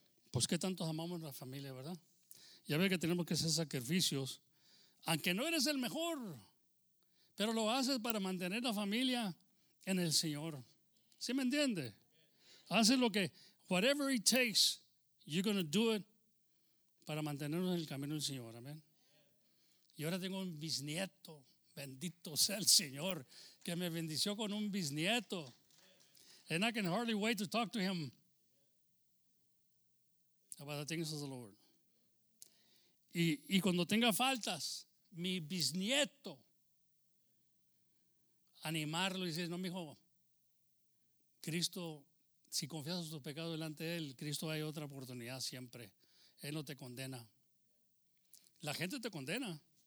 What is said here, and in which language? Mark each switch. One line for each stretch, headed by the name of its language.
Spanish: Pues qué tanto amamos a la familia, ¿verdad? Ya ve que tenemos que hacer sacrificios, aunque no eres el mejor, pero lo haces para mantener la familia en el Señor. ¿Sí me entiende? Haces lo que,
English: whatever it takes, you're going to do it
Spanish: para mantenernos en el camino del Señor, amén. Y ahora tengo un bisnieto, bendito sea el Señor, que me bendició con un bisnieto.
English: And I can hardly wait to talk to him about the things of the Lord.
Spanish: Y cuando tenga faltas, mi bisnieto, animarlo y decir, no, mijo, Cristo, si confiesas tu pecado delante de Él, Cristo, hay otra oportunidad siempre. Él no te condena. La gente te condena.